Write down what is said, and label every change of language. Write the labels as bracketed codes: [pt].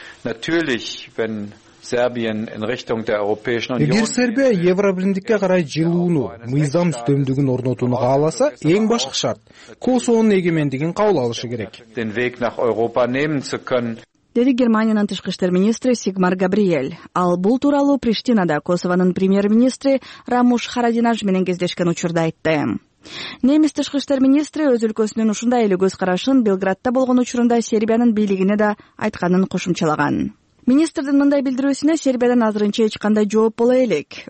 [de] Natürlich, wenn Serbien in Richtung der Europäischen Union. [ky] Эгер Сербия Евробиримдикке карай жылууну, мыйзам үстөмдүгүн орнотууну кааласа, эң башкы шарт Косовонун эгемендигин кабыл алышы керек. [de] Den Weg nach Europa nehmen zu können. [ky] Деди Германиянын тышкы иштер министри Сигмар Габриэль. Ал бул тууралуу Приштинада Косовонун премьер-министри Рамуш Харадинаж менен кездешкен учурда айтты. Немис тышкы иштер министри өз өлкөсүнүн ушундай эле көз карашын Белградда болгон учурунда Сербиянын бийлигине да айтканын кошумчалаган. Министрдин мындай билдирүүсүнө Сербиядан азырынча эч кандай жооп боло элек.